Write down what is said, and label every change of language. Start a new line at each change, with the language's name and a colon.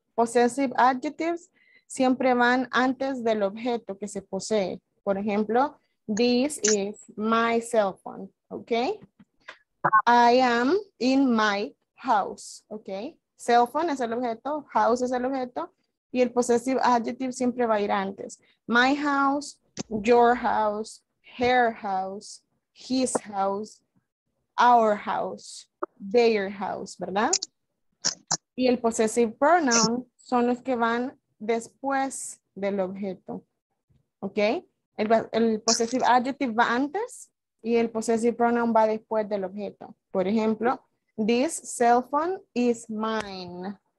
Spanish: Possessive adjectives siempre van antes del objeto que se posee. Por ejemplo,
English: this is my cell phone, okay. I am in my house, okay.
Spanish: Cell phone es el objeto, house es el objeto, y el possessive adjective siempre va a ir antes.
English: My house, your house, her house, his house, our house, their house, ¿verdad?
Spanish: Y el possessive pronoun son los que van después del objeto, ¿ok? El possessive adjective va antes y el possessive pronoun va después del objeto. Por ejemplo,
English: this cell phone is mine.